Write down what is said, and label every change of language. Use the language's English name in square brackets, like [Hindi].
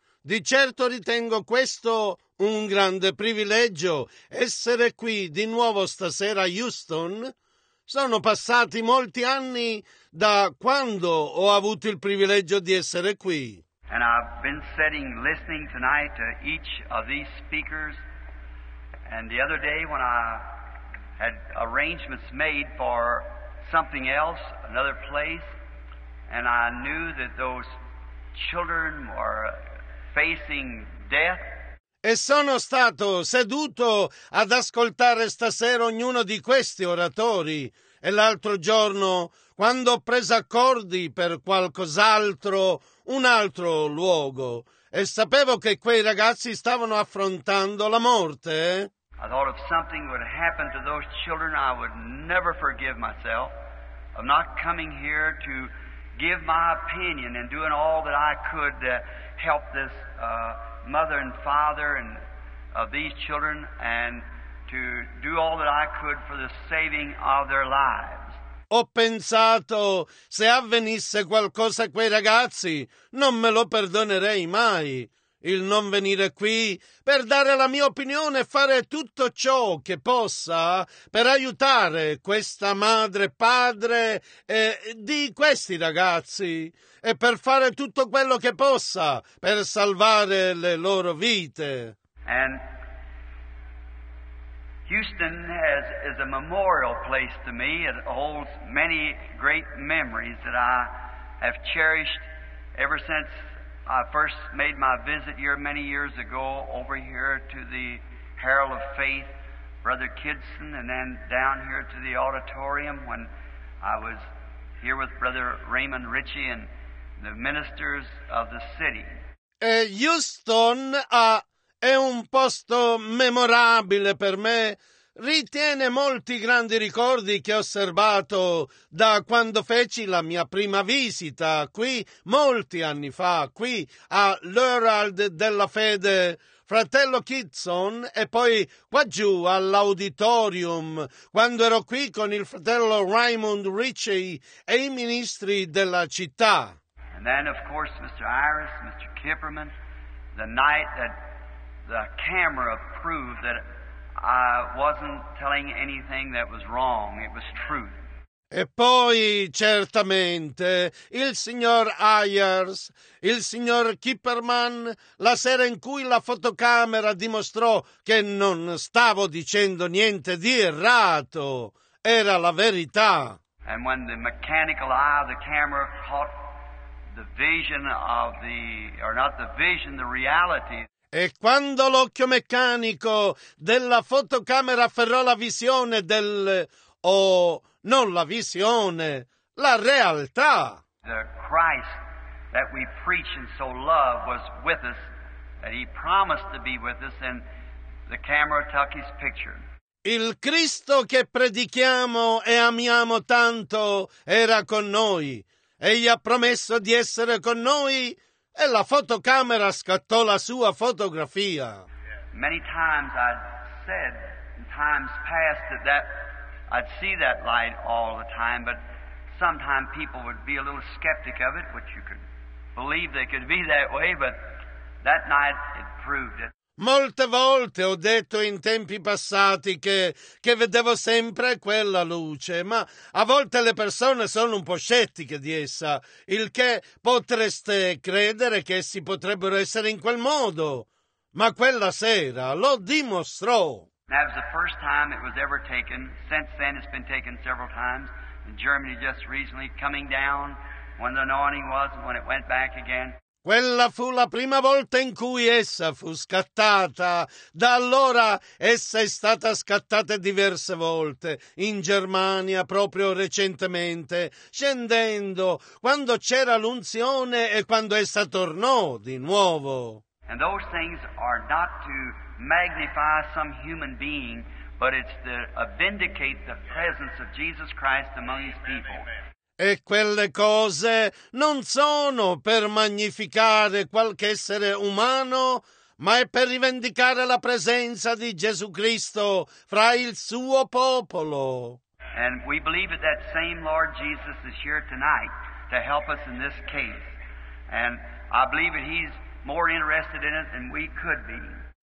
[Italian] Di certo ritengo questo un grande privilegio, essere qui di nuovo stasera a Houston. Sono passati molti anni da quando ho avuto il privilegio di essere qui. [English] And I've been sitting listening tonight to each of these speakers. And the other day when I had arrangements made for something else, another place, and I knew that those children were facing death. [Italian] E sono stato seduto ad ascoltare stasera ognuno di questi oratori. E l'altro giorno, quando ho preso accordi per qualcos'altro, un altro luogo, e sapevo che quei ragazzi stavano affrontando la morte. [English] I thought if something would happen to those children, I would never forgive myself of not coming here to give my opinion and doing all that I could to help this mother and father and of these children and to do all that I could for the saving of their lives. [Italian] Ho pensato, se avvenisse qualcosa a quei ragazzi, non me lo perdonerei mai. Il non venire qui per dare la mia opinione e fare tutto ciò che possa per aiutare questa madre, padre di questi ragazzi e per fare tutto quello che possa per salvare le loro vite. [English] And Houston is a memorial place to me. It holds many great memories that I have cherished ever since I first made my visit here many years ago over here to the Herald of Faith, Brother Kidson, and then down here to the auditorium when I was here with Brother Raymond Ritchie and the ministers of the city. [Italian] Houston è un posto memorabile per me. Ritiene molti grandi ricordi che ho osservato da quando feci la mia prima visita qui molti anni fa, qui a L'Herald della Fede, fratello Kitson, e poi qua giù all'auditorium, quando ero qui con il fratello Raymond Ritchie e i ministri della città. [English] And then of course Mr. Iris, Mr. Kipperman, the night that the camera proved that I wasn't telling anything that was wrong, it was truth. [Italian] E poi, certamente, il signor Ayers, il signor Kipperman, la sera in cui la fotocamera dimostrò che non stavo dicendo niente di errato, era la verità. [English] And when the mechanical eye of the camera caught the vision of the, or not the vision, the reality. [Italian] E quando l'occhio meccanico della fotocamera afferrò la visione del, non la visione, la realtà. [English] The Christ that we preach and so love was with us, that he promised to be with us, and the camera took his picture. [Italian] Il Cristo che predichiamo e amiamo tanto era con noi. Egli ha promesso di essere con noi. E la fotocamera scattò la sua fotografia. [English] Many times I'd said in times past that I'd see that light all the time, but sometimes people would be a little skeptic of it, which you could believe they could be that way, but that night it proved it. [Italian] Molte volte ho detto in tempi passati che vedevo sempre quella luce, ma a volte le persone sono un po' scettiche di essa, il che potreste credere che essi potrebbero essere in quel modo. Ma quella sera lo dimostrò. [English] That was the first time it was ever taken. Since then it's been taken several times. In Germany just recently coming down when the anointing was and when it went back again. [Italian] Quella fu la prima volta in cui essa fu scattata. Da allora essa è stata scattata diverse volte, in Germania proprio recentemente, scendendo, quando c'era l'unzione e quando essa tornò di nuovo. [English] And those things are not to magnify some human being, but it's to vindicate the presence of Jesus Christ among his people. [Italian] E quelle cose non sono per magnificare qualche essere umano, ma è per rivendicare la presenza di Gesù Cristo fra il suo popolo. [English] And we believe that that same Lord Jesus is here tonight to help us in this case. And I believe that he's more interested in it than we could be.